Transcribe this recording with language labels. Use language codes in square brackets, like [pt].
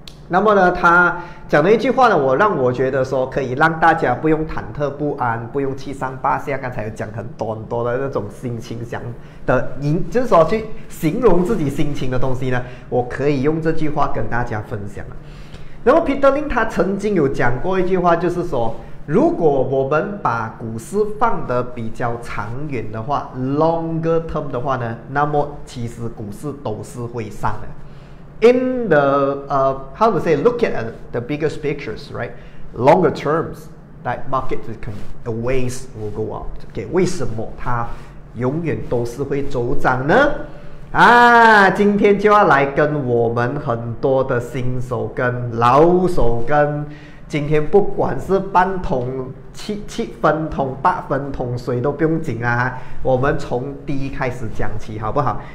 [zh] 那么呢他讲了一句话呢，我让我觉得说可以让大家不用忐忑不安，不用七上八下，刚才有讲很多很多的那种心情想的，就是说去形容自己心情的东西呢，我可以用这句话跟大家分享。那么 Peter Lin 他曾经有讲过一句话，就是说如果我们把股市放得比较长远的话 [en] longer term [zh] 的话呢，那么其实股市都是会上的。 [en] In the how to say, look at the biggest pictures, right? Longer terms, that market can always will go up. [zh] Okay, 为什么它永远都是会走涨呢？啊，今天就要来跟我们很多的新手跟老手跟，今天不管是半桶、七分桶、八分桶水都不用紧啊，我们从低开始讲起好不好？